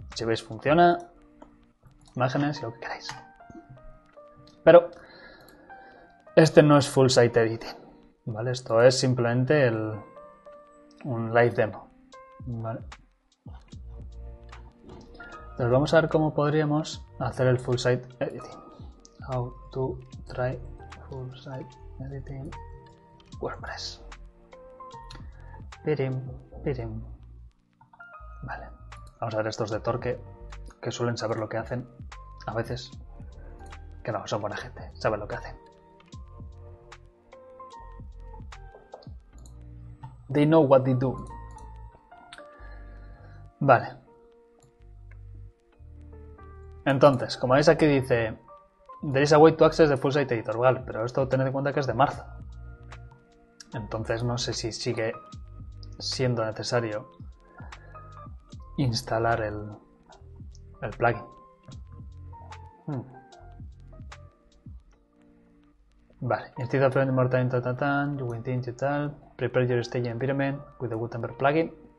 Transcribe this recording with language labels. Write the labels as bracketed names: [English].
[Spanish] Si veis funciona, imágenes y lo que queráis. Pero este no es full site editing, ¿vale? Esto es simplemente un live demo, ¿vale? Entonces vamos a ver cómo podríamos hacer el full site editing. [English] How to try full site editing WordPress. [Spanish] Pirim, pirim. Vale. Vamos a ver estos de Torque, que suelen saber lo que hacen. A veces, que no, son buena gente, saben lo que hacen. [English] They know what they do. [Spanish] Vale. Entonces, como veis aquí dice, [English] There is a way to access the full site editor. [Spanish] Vale, pero esto tened en cuenta que es de marzo. Entonces, no sé si sigue siendo necesario instalar el plugin. Vale, [English] instead of spending more time tatatán, you will think you tal, prepare your staging environment with the Gutenberg plugin.